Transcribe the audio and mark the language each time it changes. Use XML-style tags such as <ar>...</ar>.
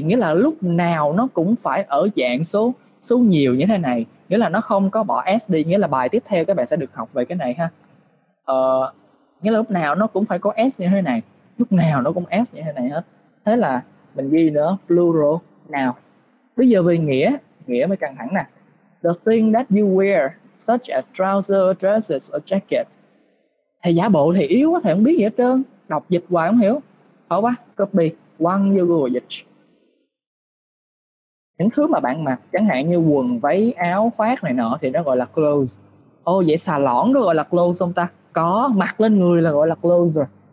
<vi>Nghĩa là lúc nào nó cũng phải ở dạng số nhiều như thế này. Nghĩa là nó không có bỏ s đi. Nghĩa là bài tiếp theo các bạn sẽ được học về cái này ha. Nghĩa là lúc nào nó cũng phải có s như thế này. Lúc nào nó cũng s như thế này hết. Thế là mình ghi nữa plural nào. Bây giờ về nghĩa mới căng thẳng nè.</vi> <en>the thing that you wear, such as trousers, dresses, or jacket.</en> <vi>Thầy giả bộ thì yếu quá, thầy không biết gì hết trơn. Đọc dịch hoài không hiểu. Thôi quá, copy, quăng vô Google dịch. Những thứ mà bạn mặc, chẳng hạn như quần, váy, áo, khoác này nọ thì nó gọi là clothes. Ô, vậy xà lõn có gọi là clothes không ta? Có, mặc lên người là gọi là clothes rồi.</vi>